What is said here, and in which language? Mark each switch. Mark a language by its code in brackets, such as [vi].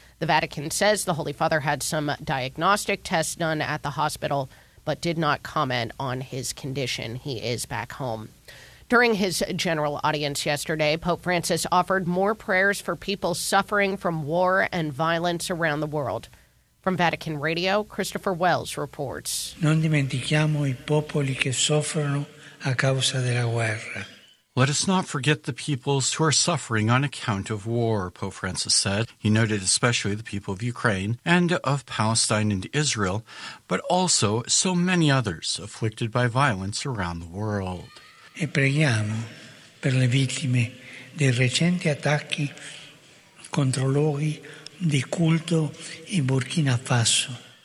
[en] The Vatican says the Holy Father had some diagnostic tests done at the hospital, but did not comment on his condition. He is back home. During his general audience yesterday, Pope Francis offered more prayers for people suffering from war and violence around the world. From Vatican Radio, Christopher Wells reports. [it] Non dimentichiamo i popoli che soffrono a causa della guerra. [en] Let us not forget the peoples who are suffering on account of war, Pope Francis said. He noted especially the people of Ukraine and of Palestine and Israel, but also so many others afflicted by violence around the world. [it] E preghiamo per le vittime dei recenti attacchi contro luoghi di culto in Burkina Faso.